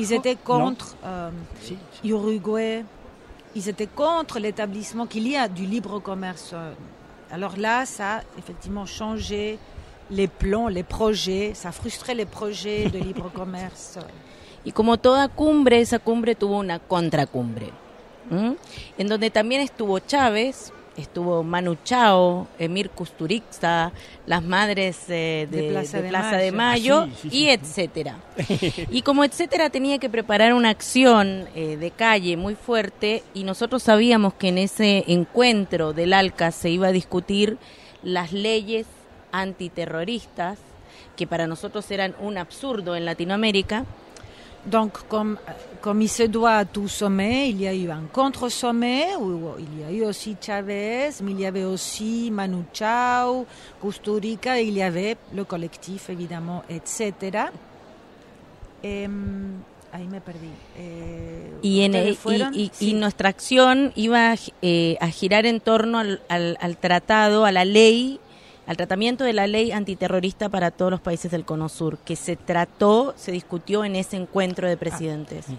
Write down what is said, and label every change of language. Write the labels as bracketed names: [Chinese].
[French] Ils étaient contre Uruguay. Ils étaient contre l'établissement qu'il y a du libre commerce. Alors là, ça a effectivement changé les plans, les projets. Ça frustrait les projets de libre commerce. Et comme toute [Spanish] cumbre, esa cumbre tuvo una contracumbre. En donde también estuvo Chávez, estuvo Manu Chao, Emir Kusturica, las madres de Plaza de Mayo, y etcétera. Y como etcétera tenía que preparar una acción de calle muy fuerte, y nosotros sabíamos que en ese encuentro del ALCA se iba a discutir las leyes antiterroristas, que para nosotros eran un absurdo en Latinoamérica. [French] Donc, comme il se doit à tout sommet, il y a eu un contre-sommet où il y a eu aussi Chavez, mais il y avait aussi Manu Chao, Kusturica, il y avait le collectif, évidemment, etc. [Spanish] Et, ahí me perdí. Y nuestra acción iba a girar en torno al tratado, a la ley, al tratamiento de la ley antiterrorista para todos los países del Cono Sur, que se trató, se discutió en ese encuentro de presidentes.